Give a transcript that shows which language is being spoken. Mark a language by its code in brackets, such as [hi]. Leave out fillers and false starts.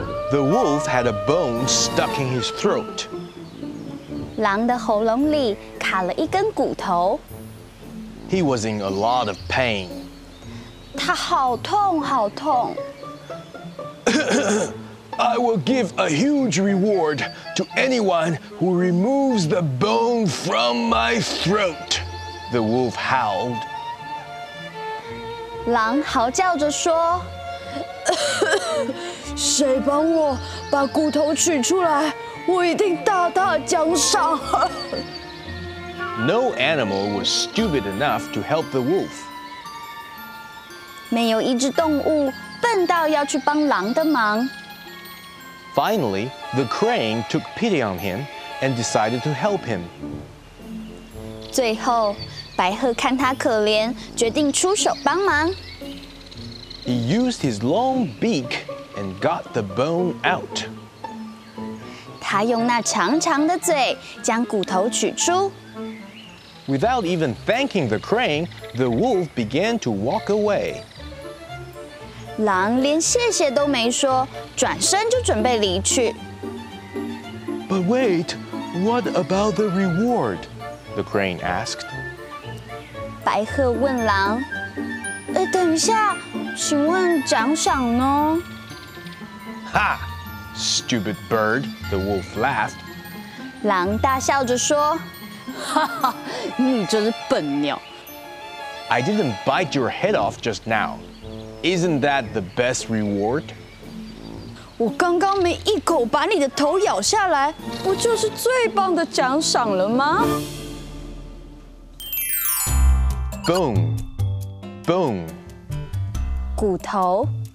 [en] The wolf had a bone stuck in his throat. [zh] 狼的喉咙里卡了一根骨头。 [en] He was in a lot of pain. [zh] 他好痛好痛。 [en] I will give a huge reward to anyone who removes the bone from my throat. The wolf howled. [zh] 狼嚎叫着说。谁帮我把骨头取出来，我一定大大奖赏。 [en] No animal was stupid enough to help the wolf. [zh] 没有一只动物笨到要去帮狼的忙。 [en] Finally, the crane took pity on him and decided to help him. [zh] 最后，白鹤看他可怜，决定出手帮忙。 [en] He used his long beak and got the bone out. [zh] 他用那长长的嘴将骨头取出。 [en] Without even thanking the crane, the wolf began to walk away. [zh] 狼连谢谢都没说，转身就准备离去。 [en] But wait, what about the reward? The crane asked. [zh] 白鹤问狼。等一下，请问奖赏呢？ [en] 哈 ，stupid bird, the wolf laughed. [zh] 狼大笑着说，哈哈，你真是笨鸟。 [en] I didn't bite your head off just now. Isn't that the best reward? [zh] 我刚刚没一口把你的头咬下来，不就是最棒的奖赏了吗 [en] ？Boom. Bone. [zh] 骨头